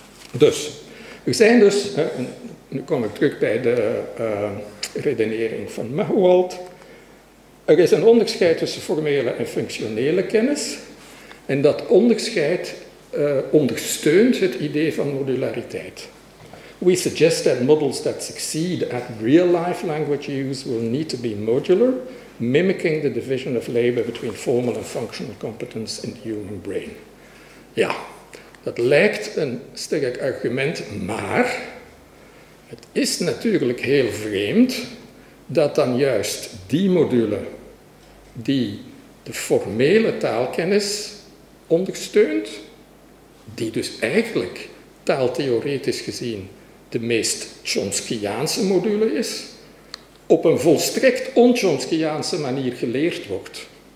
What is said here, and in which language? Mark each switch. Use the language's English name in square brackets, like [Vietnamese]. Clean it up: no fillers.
[Dutch] Dus, er zijn dus, nu kom ik terug bij de redenering van Mahuald. Er is een onderscheid tussen formele en functionele kennis. En dat onderscheid ondersteunt het idee van modulariteit. [English] We suggest that models that succeed at real-life language use will need to be modular, mimicking the division of labor between formal and functional competence in the human brain. [Dutch] Ja, dat lijkt een sterk argument, maar het is natuurlijk heel vreemd dat dan juist die module die de formele taalkennis ondersteunt, die dus eigenlijk taaltheoretisch gezien de meest Chomskiaanse module is, op een volstrekt on-Chomskiaanse manier geleerd wordt.